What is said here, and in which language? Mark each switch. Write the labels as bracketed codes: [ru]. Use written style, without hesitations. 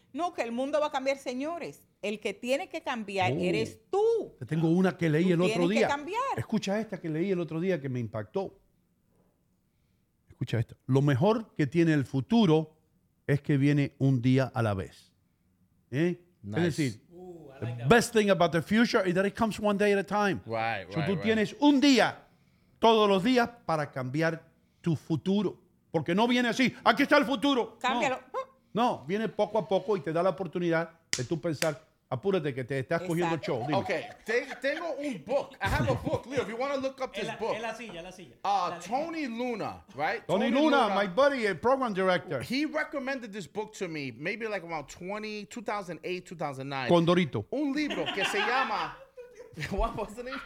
[es] No, que el mundo va a cambiar, señores. El que tiene que cambiar eres tú. Te tengo una que leí tú el otro día. Tienes que cambiar. Escucha esta que leí el otro día que me impactó. Escucha esto. Lo mejor que tiene el futuro es que viene un día a la vez. ¿Eh? [en] Nice. [es] Es decir, [en] like the best thing about the future is that it comes one day at a time. Right, so right, [es] tú [en] right. [es] tienes un día todos los días para cambiar tu futuro. Porque no viene así. Aquí está el futuro. Cámbialo. No, viene poco a poco y te da la oportunidad de tú pensar, Apúrate que te estás cogiendo show. Dime. [en] Okay, [es] tengo un [en] book. I have a book. Leo, if you want to look up this book. [es] En la silla, en la silla. [en] Tony Luna, right? Tony Luna, my buddy, a program director. He recommended this book to me maybe like around 2008, 2009. [es] Condorito. Un libro que se llama... [en] What was the name?